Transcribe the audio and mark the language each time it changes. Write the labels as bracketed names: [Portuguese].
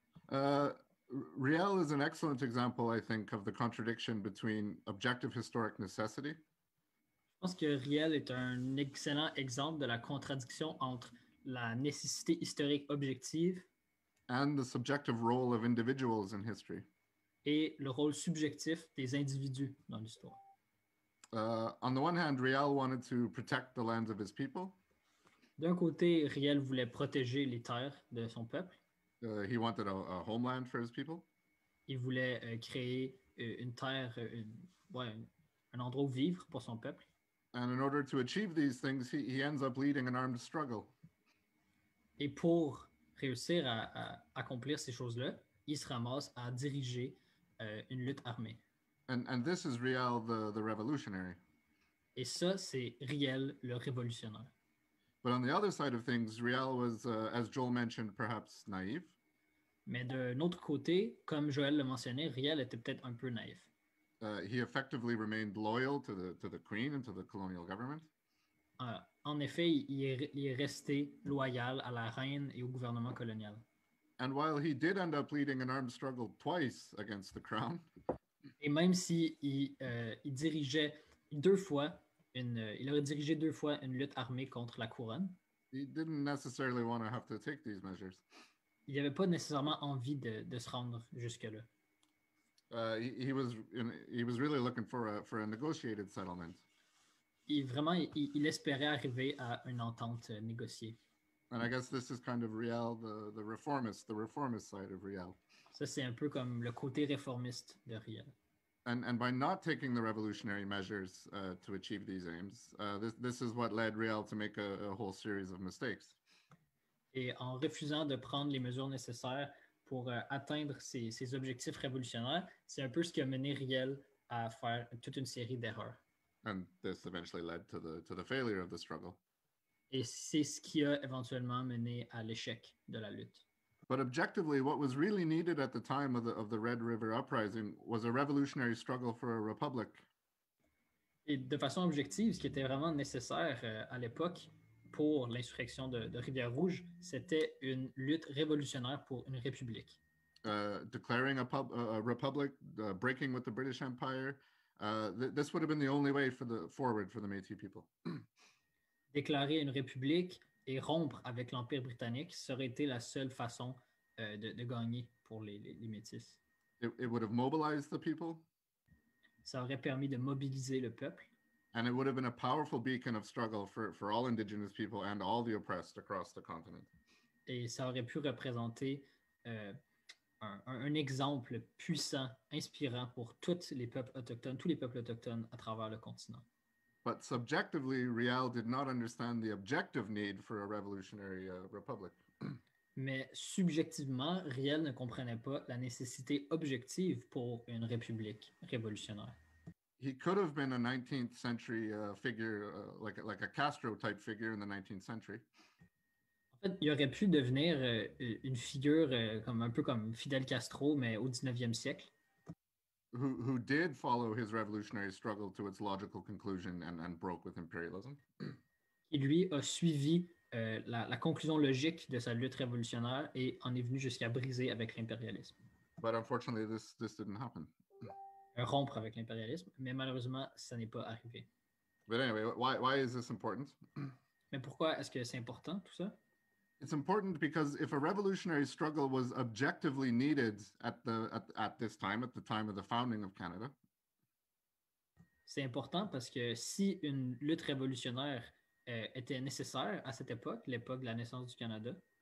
[English] Riel is an excellent example, I think, of the contradiction between objective historic necessity. [French] Je pense que Riel est un excellent exemple de la contradiction entre la nécessité historique objective [English] and the subjective role of individuals in history. [French] Et le rôle subjectif des individus dans l'histoire. [English] On the one hand, Riel wanted to protect the lands of his people. [French] D'un côté, Riel voulait protéger les terres de son peuple. [English] He wanted a homeland for his people. [French] Il voulait créer une terre, un endroit où vivre pour son peuple. [English] And in order to achieve these things, he ends up leading an armed struggle. [French] Et pour réussir à accomplir ces choses-là, il se ramasse à diriger une lutte armée. [English] And this is Riel the revolutionary. [French] Et ça, c'est Riel le révolutionnaire. [English] But on the other side of things, Riel was, as Joel mentioned, perhaps naive. [French] Mais de l'autre côté, comme Joel le mentionnait, Riel était peut-être un peu naïf. [English] He effectively remained loyal to the Queen and to the colonial government. [French] En effet, il est resté loyal à la reine et au gouvernement colonial. [English] And while he did end up leading an armed struggle twice against the crown, [French] et même si il dirigeait deux fois une lutte armée contre la couronne, [English] he didn't necessarily want to have to take these measures. [French] Il n'avait pas nécessairement envie de se rendre jusque là. [English] He was really looking for a negotiated settlement. [French] Il espérait arriver à une entente négociée. [English] And I guess this is kind of Riel, the reformist side of Riel. [French] Ça, c'est un peu comme le côté réformiste de Riel. [English] And by not taking the revolutionary measures to achieve these aims, this is what led Riel to make a whole series of mistakes. [French] Et en refusant de prendre les mesures nécessaires pour atteindre ces objectifs révolutionnaires, c'est un peu ce qui a mené Riel à faire toute une série d'erreurs. [English] And this eventually led to the failure of the struggle. [French] Et c'est ce qui a éventuellement mené à l'échec de la lutte. [English] But objectively, what was really needed at the time of the Red River Uprising was a revolutionary struggle for a republic. [French] Et de façon objective, ce qui était vraiment nécessaire à l'époque pour l'insurrection de Rivière-Rouge, c'était une lutte révolutionnaire pour une république. [English] Declaring a republic, breaking with the British Empire, this would have been the only way forward for the Métis people. [French] Déclarer une république et rompre avec l'Empire britannique serait été la seule façon de gagner pour les Métis. [English] It would have mobilized the people. [French] Ça aurait permis de mobiliser le peuple. [English] And it would have been a powerful beacon of struggle for all indigenous people and all the oppressed across the continent. [French] Et ça aurait pu représenter un exemple puissant, inspirant pour tous les peuples autochtones, à travers le continent. [English] But subjectively, Riel did not understand the objective need for a revolutionary republic. [French] Mais subjectivement, Riel ne comprenait pas la nécessité objective pour une république révolutionnaire. [English] He could have been a 19th century figure, like a Castro type figure in the 19th century. [French] En fait, il aurait pu devenir une figure comme un peu comme Fidel Castro, mais au 19e siècle. [English] Who did follow his revolutionary struggle to its logical conclusion and broke with imperialism? [French] Qui lui a suivi la conclusion logique de sa lutte révolutionnaire et en est venu jusqu'à briser avec l'impérialisme. [English] But unfortunately, this didn't happen. [French] Rompre avec l'impérialisme, mais malheureusement, ça n'est pas arrivé. [English] But anyway, why is this important? [French] Mais pourquoi est-ce que c'est important tout ça? [English] It's important because if a revolutionary struggle was objectively needed at this time, at the time of the founding of Canada. [French] C'est important parce que si une lutte révolutionnaire était nécessaire à cette époque, l'époque de la naissance du Canada.